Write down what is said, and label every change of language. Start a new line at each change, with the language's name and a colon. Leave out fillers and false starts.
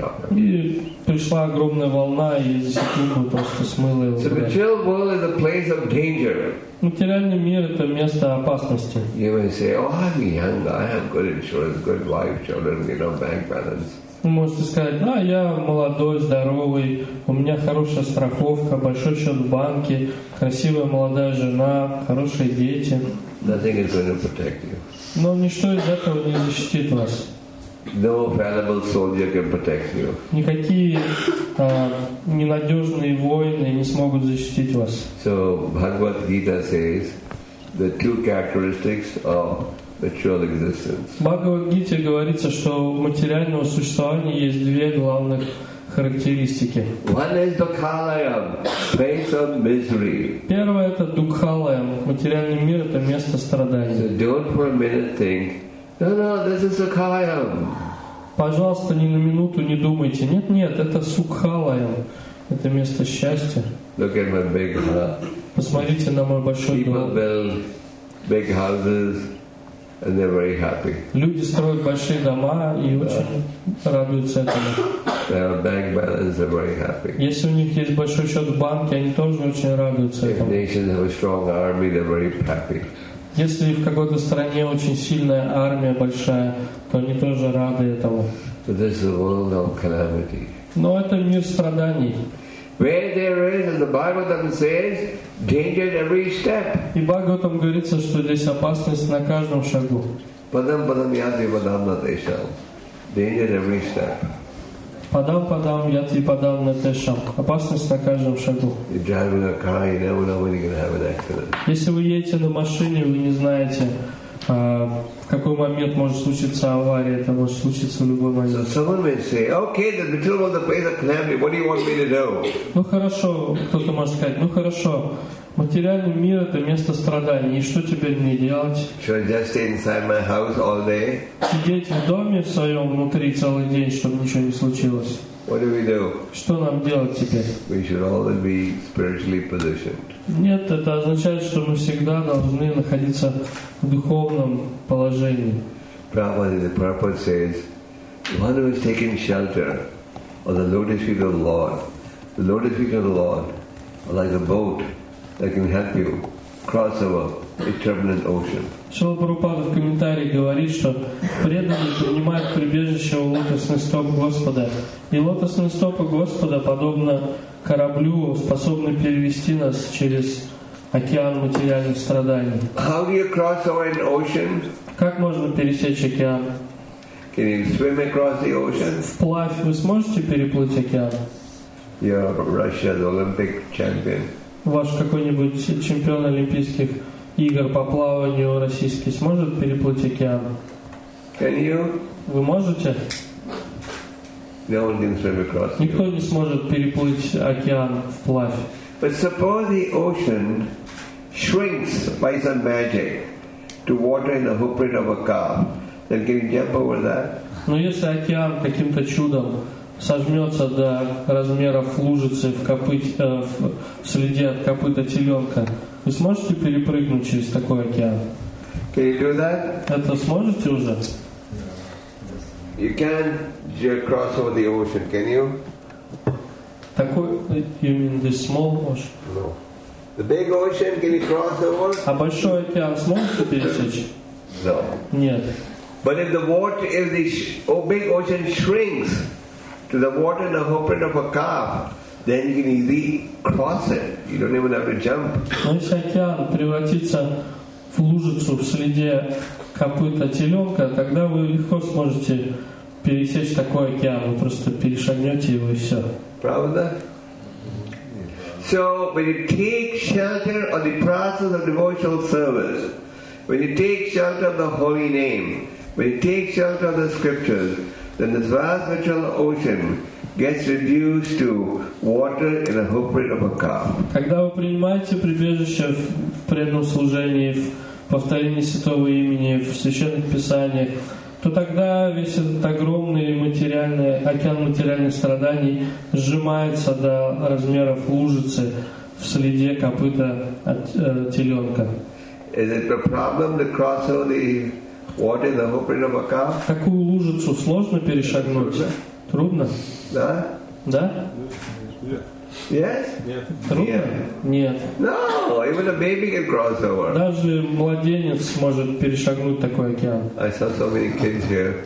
Russian: И пришла огромная волна, и за секунду просто смыла его.
English: So the material world is a place of danger.
Russian: Материальный мир — это место опасности.
English: You may say, oh, I'm young, I have good insurance, good wife, children, you know, bank balance.
Russian: Вы можете сказать, да, я молодой, здоровый, у меня хорошая страховка, большой счет в банке, красивая молодая жена, хорошие дети.
English: Nothing is going to protect you.
Russian: Но ничто из этого не защитит вас.
English: No fallible soldier can protect you.
Russian: Никакие ненадежные воины не смогут защитить вас.
English: So Bhagavad Gita says the two characteristics of material existence.
Russian: В Бхагавад Гите говорится, что у материального существования есть две главных характеристики.
English: One is Dukhalayam, place of misery.
Russian: Первое — это Дукхалаям, материальный мир — это место страдания.
English: So don't for a minute think, no, this is Sukhalayam.
Russian: Пожалуйста, ни на минуту не думайте. Нет, нет, это Сукхалаям, это место счастья.
English: Look at my big heart.
Russian: Посмотрите на мой большой дом.
English: People build big houses and they're very happy.
Russian: Люди строят большие дома и очень радуются этому.
English: Their bank balance, they're very happy.
Russian: Если у них есть большой счет в банке, они тоже очень радуются этому.
English: If nations have a strong army, they're very happy.
Russian: Если в какой-то стране очень сильная армия большая, то они тоже рады этому.
English: But this is a world of calamity.
Russian: Но это мир страданий.
English: Where there is, as the Bhagavatam says, danger at every step.
Russian: И Бхагаватам говорится, что здесь опасность на каждом шагу.
Sanskrit: Падам падам яти падам на тешам.
English: Danger at every step.
Sanskrit: Падам падам яти падам на тешам.
Russian: Опасность на каждом шагу.
English: You're driving a car, you never know when you're going to have an accident.
Russian: Если вы едете на машине, вы не знаете, в какой момент может случиться авария, это может случиться в любой момент.
English: So someone may say, okay, the material world is a place of calamity, what do you want me to do?
Russian: Ну хорошо, кто-то может сказать, ну хорошо, материальный мир — это место страданий, и что теперь мне делать?
English: Should I just stay inside my house all day?
Russian: Сидеть в доме в своем внутри целый день, чтобы ничего не случилось.
English: What do we do?
Russian: Что нам делать теперь?
English: We should all be spiritually positioned.
Russian: Нет, это означает, что мы всегда должны находиться в духовном положении.
English: Prabhupada says, one who has taken shelter of the lotus feet of the Lord are like a boat that can help you cross over a turbulent ocean.
Russian: Шрила Прабхупада в комментарии говорит, что преданный принимает прибежище у лотосных стоп Господа. И лотосные стопы Господа подобно кораблю, способны перевести нас через океан материальных страданий.
English: How do you cross over an ocean?
Russian: Как можно пересечь океан?
English: Can you swim across the ocean?
Russian: Вплавь, вы сможете переплыть океан?
English: You're Russia's Olympic champion.
Russian: Ваш какой-нибудь чемпион олимпийских игр по плаванию российский сможет переплыть океан?
English: Can you?
Russian: Вы можете?
English: No one can swim across.
Russian: Никто не сможет переплыть океан вплавь.
English: But suppose the ocean shrinks by some magic to water in the footprint of a car, then can you jump over that?
Russian: Но если океан каким-то чудом сожмется до размеров лужицы в копыте, в следе от копыта теленка, вы сможете перепрыгнуть через такой океан?
English: Can you do that?
Russian: Это сможете уже?
English: You can cross over the ocean, can you?
Russian: Такой,
English: you mean the small ocean? No. The big ocean, can you cross over?
Russian: А большой океан сможете пересечь?
English: No.
Russian: Нет.
English: But if the water, if the big ocean shrinks to the water in the footprint of a calf, then you can easily cross it. You don't even have to jump.
Russian: Но если океан превратится в лужицу в следе копыта теленка, тогда вы легко сможете пересечь такой океан, вы просто перешагнете его и все. Правда?
English: So when you take shelter of the process of devotional service, when you take shelter of the holy name, when you take shelter of the scriptures, then this vast material ocean gets reduced to water in a hoofprint of a calf.
Russian: Когда вы принимаете прибежище в преданном служении, в повторении святого имени, в священных писаниях, то тогда весь этот огромный материальный океан материальных страданий сжимается до размеров лужицы в следе копыта от теленка.
English: Is it a problem to cross over the water in the hoofprint of a calf?
Russian: Такую лужицу сложно перешагнуть? Трудно? Да? Да?
English: Yes?
Russian: Нет.
English: No, even a baby can cross over.
Russian: Даже младенец может перешагнуть такой океан.
English: I saw so many kids here.